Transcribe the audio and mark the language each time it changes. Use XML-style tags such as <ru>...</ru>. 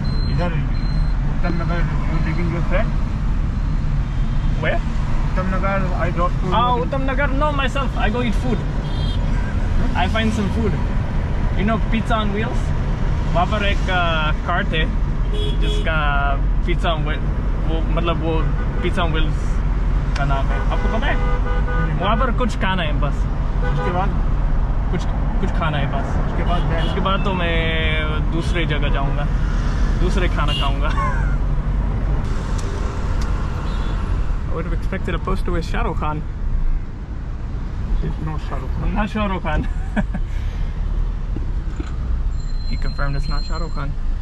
<en>Is that Uttam Nagar, you living your friend? Where? Uttam Nagar, I drop food. Oh, Uttam Nagar, no, myself, I go eat food. I find some food. You know, pizza on wheels?</en> <hi>Wapar ek cart hai, jiska pizza on wheels. वो मतलब वो pizza on wheels का नाम है आपको पता है वहाँ पर कुछ खाना है बस उसके बाद कुछ खाना है बस उसके बाद तो मैं दूसरे जगह जाऊँगा दूसरे खाना खाऊँगा I would have expected a poster with Shahrukh Khan</hi> <en>it's not Shahrukh Khan not Shahrukh Khan he confirmed it's not Shahrukh Khan</en>